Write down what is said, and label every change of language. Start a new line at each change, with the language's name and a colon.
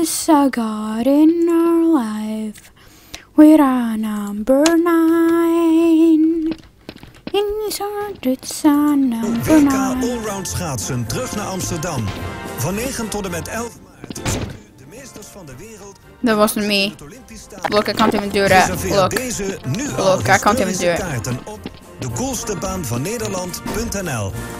English: A God in our life, we are number 9. In his heart, it's a number 9.
Dutch: WK Allround Schaatsen terug naar Amsterdam. Van 9 tot en met 11 maart. De meesters van de wereld.
English: That wasn't me. Look, I can't even do that. Look, look, I can't even do it.
Dutch: Op de coolste baan van Nederland.nl.